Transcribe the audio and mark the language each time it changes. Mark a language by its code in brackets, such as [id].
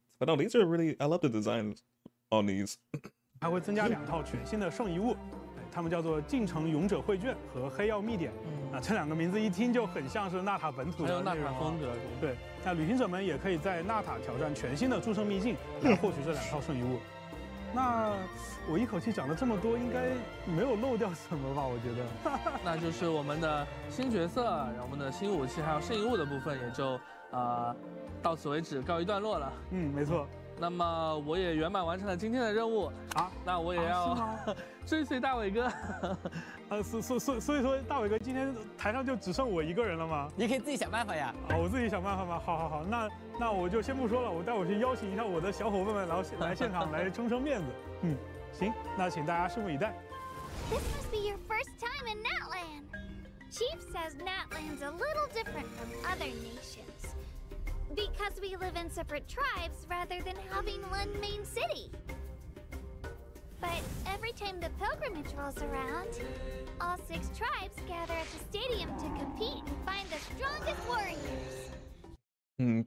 [en] But no, these are really. I love the designs on these. [zh] 还会增加两套全新的圣遗物。他们叫做进城勇者会卷和黑曜密点，那这两个名字一听就很像是纳塔本土的那种风格。对，那旅行者们也可以在纳塔挑战全新的诸圣秘境来获取这两套圣遗物。那我一口气讲了这么多应该没有漏掉什么吧，我觉得那就是我们的新角色，然后我们的新武器还有圣遗物的部分也就到此为止告一段落了。嗯，没错。那么我也圆满完成了今天的任务啊，那我也要追随大伟哥。所以说大伟哥今天台上就只剩我一个人了吗？你可以自己想办法呀。啊，我自己想办法吗？好，那我就先不说了，我待会去邀请一下我的小伙伴们来现场来撑撑面子。嗯，行，那请大家拭目以待。 [en] This must be your first time in Natland. Chief says Natland's a little different from other nations because we live in separate tribes rather than having one main city. But every time the pilgrimage rolls around, all six tribes gather at the stadium to compete and find the strongest warriors.